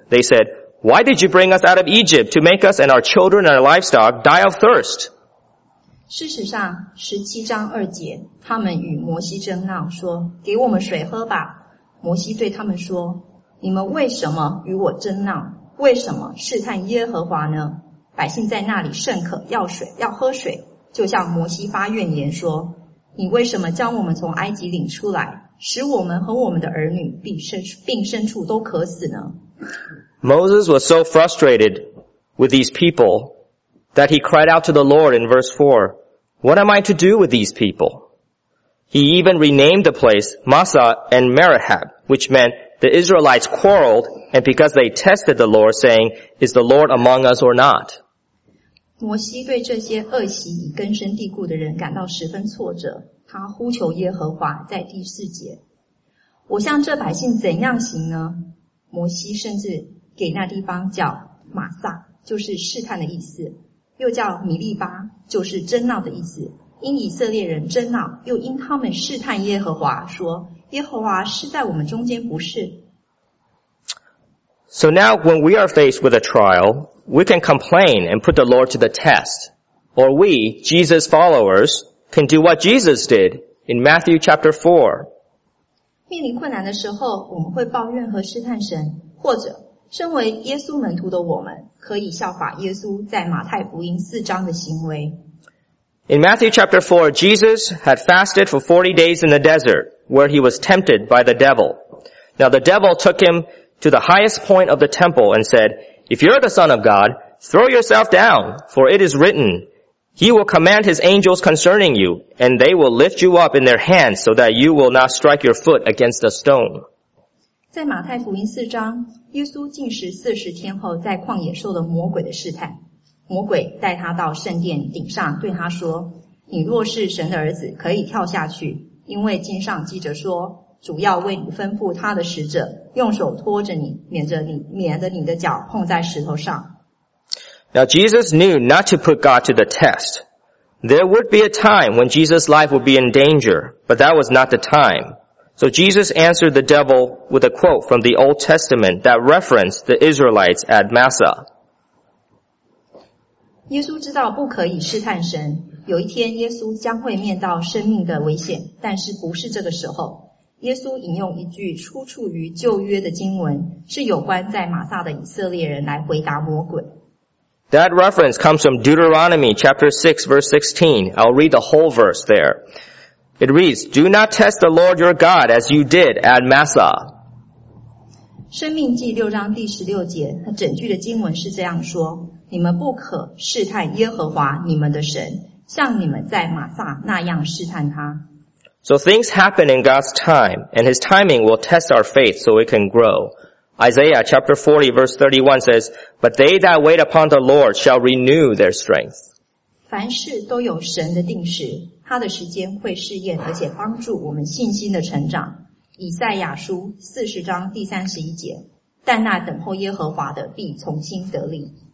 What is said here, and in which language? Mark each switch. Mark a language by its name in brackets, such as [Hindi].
[English] They said, Why did you bring us out of Egypt to make us and our children and our livestock die of thirst? [Chinese] 事实上，17章2节，他们与摩西争闹，说，给我们水喝吧。摩西对他们说，你们为什么与我争闹？为什么试探耶和华呢？百姓在那里甚渴，要水，要喝水，就向摩西发怨言说：“你为什么将我们从埃及领出来，使我们和我们的儿女并牲畜都渴死呢？” [English] Moses was so frustrated with these people that he cried out to the Lord in verse 4, What am I to do with these people? He even renamed the place Massah and Meribah, which meant The Israelites quarreled, and because they tested the Lord, saying, Is the Lord among us or not? [Chinese] 摩西对这些恶习已根深蒂固的人感到十分挫折。他呼求耶和华，在第四节，我向这百姓怎样行呢？摩西甚至给那地方叫马撒，就是试探的意思，又叫米利巴，就是争闹的意思。因以色列人争闹，又因他们试探耶和华，说耶和华是在我们中间，不是。 [English] So now when we are faced with a trial, we can complain and put the Lord to the test. Or we, Jesus' followers, can do what Jesus did in Matthew chapter 4. [Chinese] 面临困难的时候，我们会抱怨和试探神，或者身为耶稣门徒的我们可以效法耶稣在马太福音四章的行为。 [English] In Matthew chapter 4, Jesus had fasted for 40 days in the desert where he was tempted by the devil. Now the devil took him to the highest point of the temple and said, If you're the Son of God, throw yourself down, for it is written, He will command His angels concerning you, and they will lift you up in their hands so that you will not strike your foot against a stone. [Chinese] 在马太福音四章，耶稣禁食四十天后在旷野受了魔鬼的试探。魔鬼带他到圣殿顶上对他说，你若是神的儿子可以跳下去，因为经上记着说，主要为你吩咐他的使者用手托着你，免得你的脚碰在石头上。 [English] Now Jesus knew not to put God to the test. There would be a time when Jesus' life would be in danger, but that was not the time. So Jesus answered the devil with a quote from the Old Testament that referenced the Israelites at Massah. [Chinese] 耶稣知道不可以试探神，有一天耶稣将会面到生命的危险，但是不是这个时候。耶稣引用一句出处于旧约的经文，是有关在马撒的以色列人来回答魔鬼。 [English] That reference comes from Deuteronomy chapter 6 verse 16. I'll read the whole verse there. It reads, Do not test the Lord your God as you did at Massah. [Chinese] 生命记六章第十六节，它整句的经文是这样说，你们不可试探耶和华你们的神，像你们在马撒那样试探他。 [English] So things happen in God's time, and His timing will test our faith so it can grow. Isaiah chapter 40 verse 31 says, But they that wait upon the Lord shall renew their strength. [Chinese] 凡事都有神的定时，他的时间会试验，而且帮助我们信心的成长。以赛亚书40章第31节，但那等候耶和华的必重新得力。